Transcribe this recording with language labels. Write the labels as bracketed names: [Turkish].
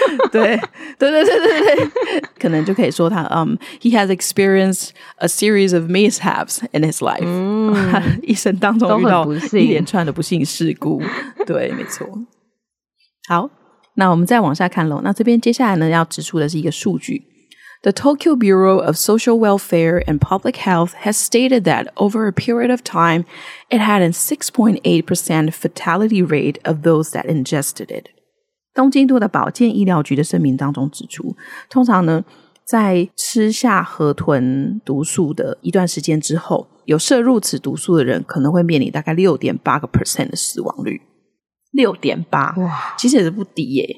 [Chinese] 对对对对对对，可能就可以说他 [English] he has experienced a series of mishaps in his life， [Chinese] 一生当中遇到一连串的不幸事故。对，没错。好，那我们再往下看咯。那这边接下来呢要指出的是一个数据。 [English] The Tokyo Bureau of Social Welfare and Public Health has stated that over a period of time, it had a 6.8% fatality rate of those that ingested it. [Chinese] 东京都的保健医疗局的声明当中指出，通常呢，在吃下河豚毒素的一段时间之后，有摄入此毒素的人可能会面临大概 6.8% 的死亡率。 6.8 哇，其实也是不低耶。